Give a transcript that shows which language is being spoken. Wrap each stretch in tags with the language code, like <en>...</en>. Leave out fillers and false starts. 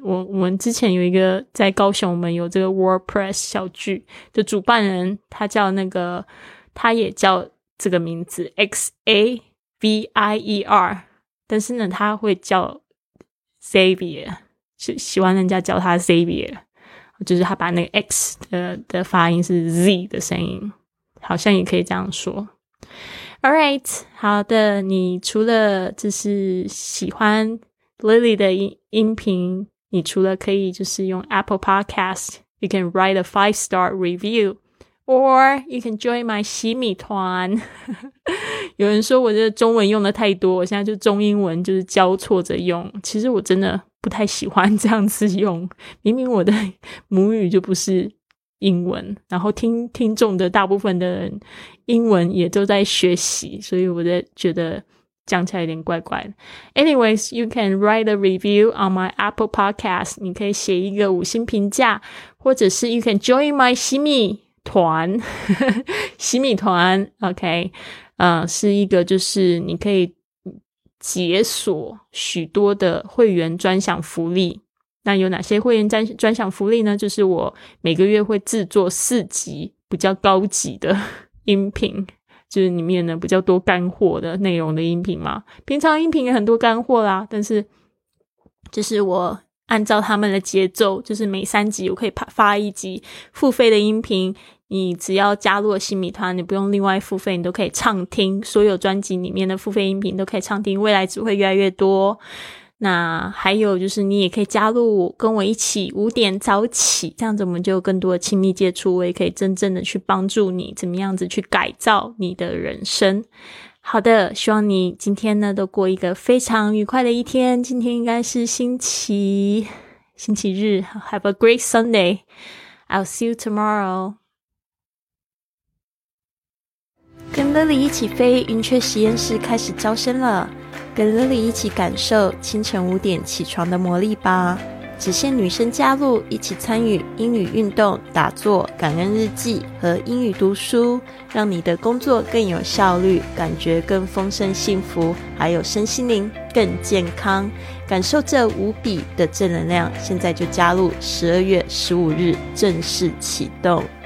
<zh>我们之前有一个在高雄，我们有这个 WordPress 小聚的主办人，他叫那个，他也叫这个名字 Xavier, 但是呢他会叫 Xavier,喜欢人家叫他 Xavier, 就是他把那个 X 的发音是 Z 的声音，好像也可以这样说。</zh> <en>Alright,</en> <zh>好的，你除了就是喜欢 Lily 的音频，你除了可以就是用</zh> <en>Apple Podcast, you can write a 5-star review, or you can join my 洗米团。</en> <zh>有人说我这中文用的太多，我现在就中英文就是交错着用，其实我真的不太喜欢这样子用，明明我的母语就不是英文，然后听众的大部分的人英文也都在学习，所以我在觉得讲起来有点怪怪的。</zh> <en>Anyways, you can write a review on my Apple Podcast,</en> <zh>你可以写一个五星评价，或者是</zh> <en>you can join my 洗米团。</en> <zh>洗米团 OK、是一个就是你可以解锁许多的会员专享福利。那有哪些会员专享福利呢？就是我每个月会制作四集比较高级的音频，就是里面呢比较多干货的内容的音频嘛。平常音频也很多干货啦，但是就是我按照他们的节奏，就是每三集我可以发一集付费的音频，你只要加入了新米团，你不用另外付费，你都可以畅听所有专辑里面的付费音频，都可以畅听，未来只会越来越多。那还有就是你也可以加入跟我一起五点早起，这样子我们就有更多的亲密接触，我也可以真正的去帮助你怎么样子去改造你的人生。好的，希望你今天呢都过一个非常愉快的一天，今天应该是星期日。</zh> <en>Have a great Sunday, I'll see you tomorrow。</en> <zh>跟 Lily 一起飞云雀实验室开始招生了，跟 Lily 一起感受清晨五点起床的魔力吧。只限女生加入，一起参与英语运动、打坐、感恩日记和英语读书，让你的工作更有效率，感觉更丰盛幸福，还有身心灵更健康，感受这无比的正能量。现在就加入，12月15日正式启动。</zh>